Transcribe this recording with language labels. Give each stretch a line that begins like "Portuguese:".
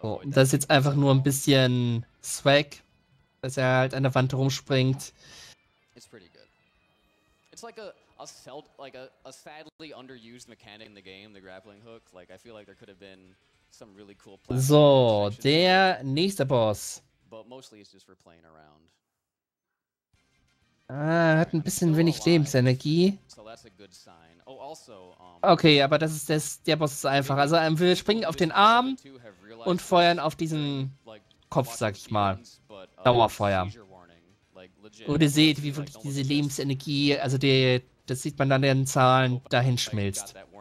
German: Das ist jetzt einfach nur ein bisschen Swag, dass er halt an der Wand rumspringt.
English: It's like a sadly underused mechanic in the game, the grappling hook. Like I feel like there could have been some really cool.
German: So, der nächste Boss.
English: But mostly it's just for playing around.
German: Hat ein bisschen wenig Lebensenergie.
English: So that's a good sign. Oh, also.
German: Okay, aber der Boss ist einfach. Also wir springen auf den Arm und feuern auf diesen Kopf, sag ich mal. Dauerfeuer. Und ihr seht, wie wirklich diese Lebensenergie, also das sieht man dann in den Zahlen, dahin schmilzt.